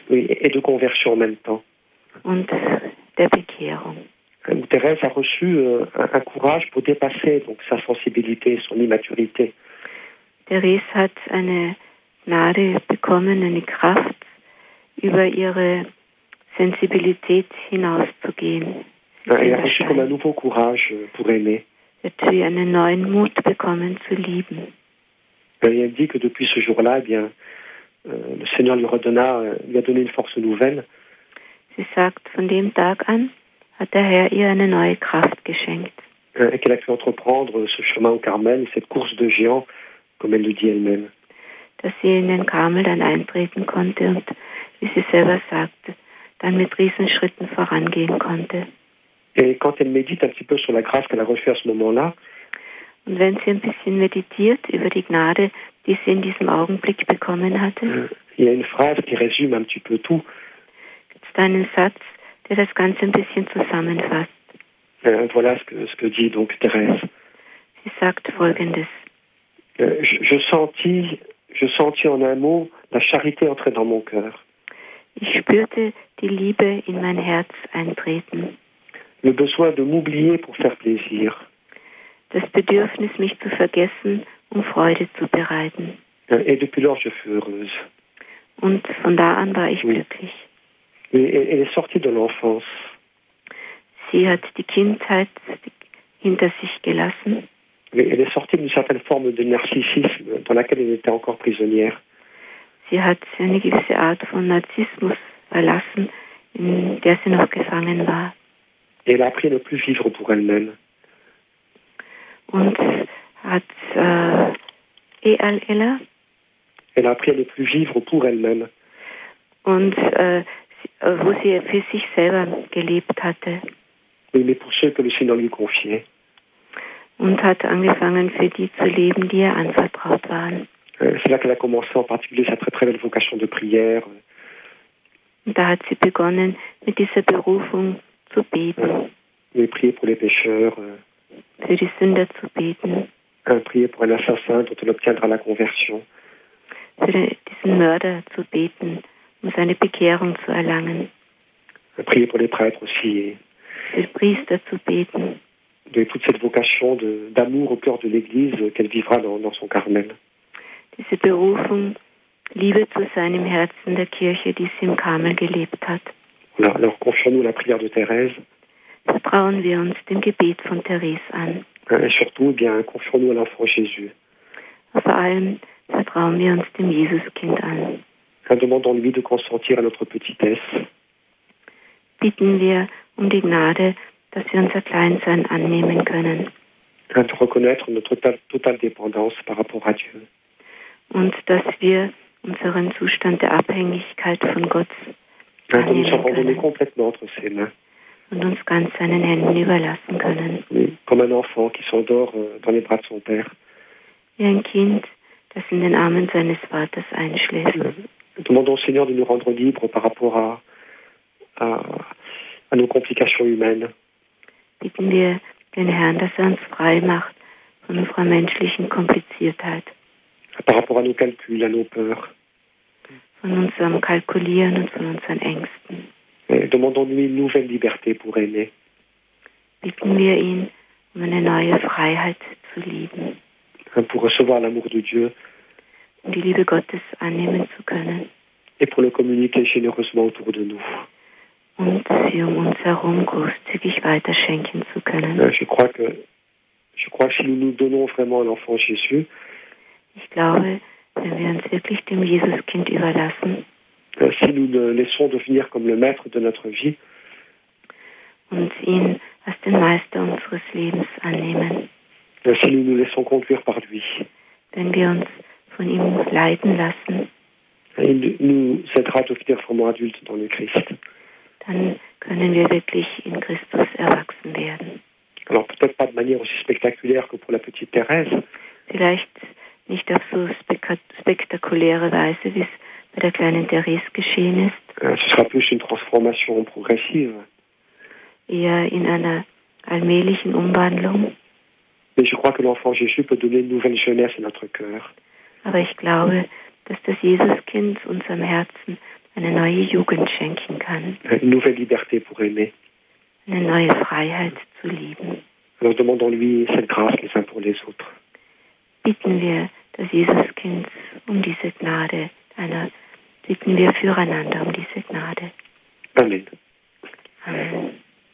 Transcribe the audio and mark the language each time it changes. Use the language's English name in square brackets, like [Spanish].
[French] Oui, et de conversion en même temps. [German] Und der Bekehrung. [French] Thérèse a reçu un courage pour dépasser donc sa sensibilité, son immaturité. [German] Thérèse hat eine Gnade bekommen, eine Kraft, über ihre Sensibilität hinauszugehen. [French] Elle a reçu comme un nouveau courage pour aimer. [German] Hat sie einen neuen Mut bekommen zu lieben. [French] Elle dit que depuis ce jour-là, eh bien, le Seigneur lui a donné une force nouvelle. [German] Sie sagt, von dem Tag an hat der Herr ihr eine neue Kraft geschenkt. [French] Et qu'elle a pu entreprendre ce chemin au Carmel, cette course de géant, comme elle le dit elle-même. [German] Dass sie in den Carmel dann eintreten konnte und, wie sie selber sagte, dann mit Riesenschritten vorangehen konnte. [French] Et quand elle médite un petit peu sur la grâce qu'elle a reçue à ce moment-là, [German] und wenn sie ein bisschen meditiert über die Gnade, die sie in diesem Augenblick bekommen hatte, [French] il y a une phrase qui résume un petit peu tout. [German] Gibt es da einen Satz, der das Ganze ein bisschen zusammenfasst? [French] Voilà ce que dit donc Thérèse. [German] Sie sagt Folgendes. [French] Je sentis en un mot la charité entrer dans mon cœur. [German] Ich spürte die Liebe in mein Herz eintreten. [French] Le besoin de m'oublier pour faire plaisir. [German] Das Bedürfnis, mich zu vergessen, um Freude zu bereiten. [French] Et depuis lors, je fus heureuse. [German] Und von da an war ich glücklich. [French] Elle est sortie de l'enfance. [German] Sie hat die Kindheit hinter sich gelassen. [French] Elle est sortie d'une certaine forme de narcissisme dans laquelle elle était encore prisonnière. [German] Sie hat eine gewisse Art von Narzissmus verlassen, in der sie noch gefangen war. [French] Et elle a appris à ne plus vivre pour elle-même. [German] Und hat [French] elle a appris à ne plus vivre pour elle-même. [German] Und wo sie für sich selber gelebt hatte. [French] Oui, mais pour ceux que le Seigneur lui confiait. [German] Und hat angefangen, für die zu leben, die ihr anvertraut waren. [French] C'est là qu'elle a commencé en particulier sa très très belle vocation de prière. [German] Und da hat sie begonnen, mit dieser Berufung zu beten. [French] Oui, prier pour les pécheurs. [German] Für die Sünder zu beten. [French] Prier pour un assassin dont elle obtiendra la conversion. [German] Für diesen Mörder zu beten, um seine Bekehrung zu erlangen. [French] Prier pour les prêtres aussi. [German] Für die Priester zu beten. [French] De toute cette vocation d'amour au cœur de l'Église qu'elle vivra dans son Carmel. [German] Diese Berufung, Liebe zu sein im Herzen der Kirche, die sie im Carmel gelebt hat. [French] Alors confions-nous la prière de Thérèse. [German] Vertrauen wir uns dem Gebet von Thérèse an. [French] Et surtout, eh bien, confions-nous à l'enfant Jésus. [German] Vor allem vertrauen wir uns dem Jesuskind an. [French] Demandons-lui de consentir à notre petitesse. [German] Bitten wir um die Gnade, dass wir unser Kleinsein annehmen können. [French] De reconnaître notre totale dépendance par rapport à Dieu. [German] Und dass wir unseren Zustand der Abhängigkeit von Gott annehmen können. Und uns ganz seinen Händen überlassen können. [French] Comme un enfant qui s'endort dans les bras de son père. [German] Wie ein Kind, das in den Armen seines Vaters einschläft. [French] Demandons au Seigneur de nous rendre libres par rapport à nos complications humaines. [German] Bitten wir den Herrn, dass er uns frei macht von unserer menschlichen Kompliziertheit. [French] Par rapport à nos calculs, à nos peurs. [German] Von unserem Kalkulieren und von unseren Ängsten. [French] Demandons-lui une nouvelle liberté pour aimer. [German] Bitten wir ihn um eine neue Freiheit zu lieben. [French] Pour recevoir l'amour de Dieu. [German] Um die Liebe Gottes annehmen zu können. [French] Et pour le communiquer généreusement autour de nous. [German] Und sie um uns herum großzügig weiter schenken zu können. [French] Je crois que si nous nous donnons vraiment à l'enfant Jésus. [German] Ich glaube, wenn wir uns wirklich dem Jesuskind überlassen. [French] Si nous le laissons devenir comme le maître de notre vie, [German] und ihn als den Meister unseres Lebens annehmen, [French] si nous nous laissons conduire par lui, [German] wenn wir uns von ihm leiten lassen, [French] il nous aidera à devenir vraiment adultes dans le Christ. [German] Dann können wir wirklich in Christus erwachsen werden. [French] Alors peut-être pas de manière aussi spectaculaire que pour la petite Thérèse. [German] Vielleicht nicht auf so spektakuläre Weise wie bei der kleinen Therese geschehen ist. [French] Ce sera plus une transformation progressive. [German] Eher in einer allmählichen Umwandlung. [French] Mais je crois que l'enfant Jésus peut donner une nouvelle jeunesse à notre cœur. [German] Aber ich glaube, dass das Jesuskind unserem Herzen eine neue Jugend schenken kann. [French] Une nouvelle liberté pour aimer. [German] Eine neue Freiheit zu lieben. [French] Alors demandons-lui cette grâce les uns pour les autres. [German] Bitten wir das Jesuskind um diese Gnade. Bitten wir füreinander um diese Gnade. [French] Amen. [German] Amen.